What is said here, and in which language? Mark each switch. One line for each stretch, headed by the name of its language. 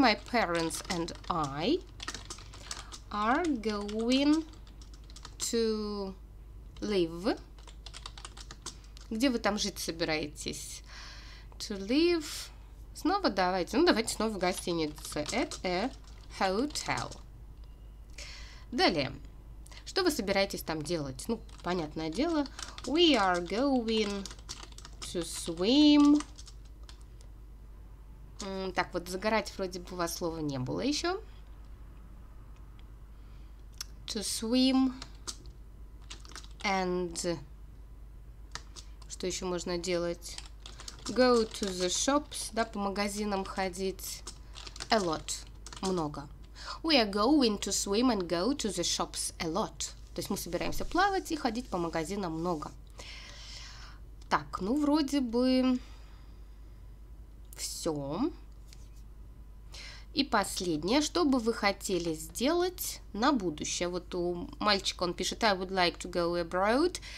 English: My parents and I are going to live.
Russian: Где вы там жить собираетесь?
English: To live.
Russian: Снова давайте. Ну, давайте снова в гостинице.
English: At a hotel.
Russian: Далее. Что вы собираетесь там делать? Ну, понятное дело.
English: We are going to swim.
Russian: Так вот, загорать вроде бы у вас слова не было еще.
English: To swim. And
Russian: что еще можно делать?
English: Go to the shops,
Russian: да, по магазинам ходить.
English: A lot.
Russian: Много.
English: We are going to swim and go to the shops a lot.
Russian: То есть мы собираемся плавать и ходить по магазинам много. Так, ну вроде бы все. И последнее, что бы вы хотели сделать на будущее? Вот у мальчика он пишет:
English: I would like to go abroad.